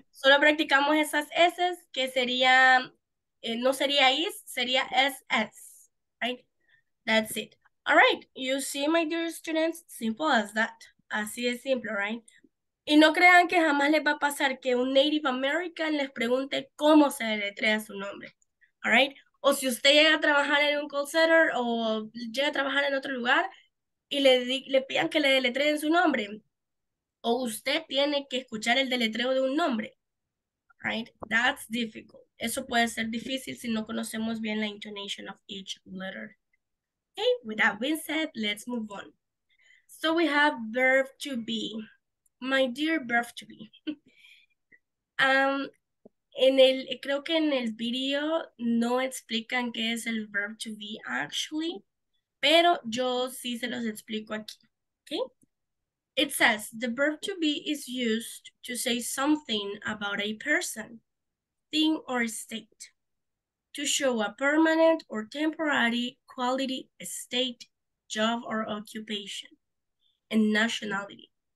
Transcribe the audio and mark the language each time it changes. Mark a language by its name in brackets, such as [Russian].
[Spanish] Solo practicamos esas S que serían, no sería IS, sería SS. [English] Right? That's it. All right. You see, my dear students, simple as that. [Spanish] Así de simple, right? Y no crean que jamás les va a pasar que un Native American les pregunte cómo se deletrea su nombre. All right? O si usted llega a trabajar en un call center o llega a trabajar en otro lugar y le pidan que le deletreen su nombre, o usted tiene que escuchar el deletreo de un nombre. [English] Right? That's difficult. [Spanish] Eso puede ser difícil si no conocemos bien la [English] intonation of each letter. Okay, with that being said, let's move on. So we have verb to be. My dear verb to be. [Spanish] Creo que en el video no explican qué es el verb to be actually, pero yo sí se los explico aquí, okay? [English] It says, the verb to be is used to say something about a person, thing or state, to show a permanent or temporary quality, state, job or occupation, and nationality.